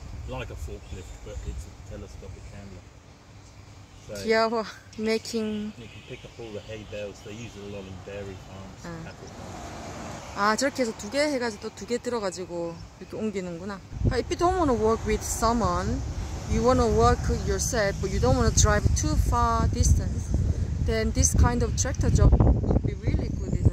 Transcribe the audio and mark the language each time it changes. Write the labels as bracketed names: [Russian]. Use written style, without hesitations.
[English] Like a forklift, but it's a telescopic handler. So yeah, making. You can pick up all the hay bales. They use it a lot in dairy farms, cattle farms. [Korean] 아 저렇게 해서 두 개 해가지고 또 두 개 들어가지고 이렇게 옮기는구나. If you don't want to work with someone, you want to work yourself, but you don't want to drive too far distance, then this kind of tractor job would be really good.